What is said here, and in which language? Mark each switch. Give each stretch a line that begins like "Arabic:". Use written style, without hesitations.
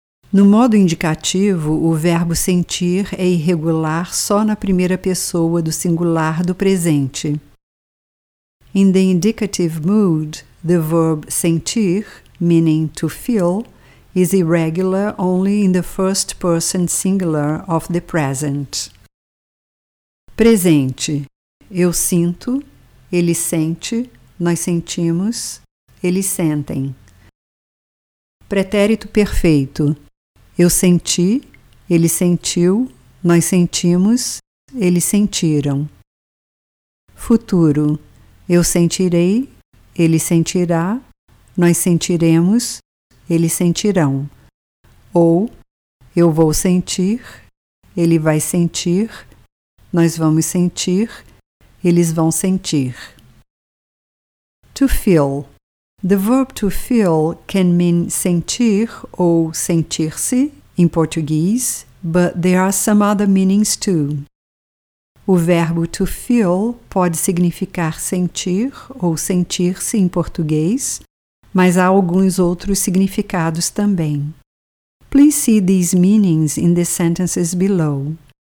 Portuguese: No modo indicativo, o verbo sentir é irregular só na primeira pessoa do singular do presente.
English: In the indicative mood, the verb sentir, meaning to feel, is irregular only in the first person singular of the present.
Portuguese: Presente. Eu sinto, ele sente, nós sentimos, eles sentem. Pretérito perfeito. Eu senti, ele sentiu, nós sentimos, eles sentiram. Futuro. Eu sentirei, ele sentirá, nós sentiremos, eles sentirão. Ou, eu vou sentir, ele vai sentir, nós vamos sentir, eles vão sentir.
English: To feel. The verb to feel can mean
Portuguese: sentir ou sentir-se
English: in Portuguese, but there are some other meanings too.
Portuguese: O verbo to feel pode significar sentir ou sentir-se em português, mas há alguns outros significados também.
English: Please see these meanings in the sentences below.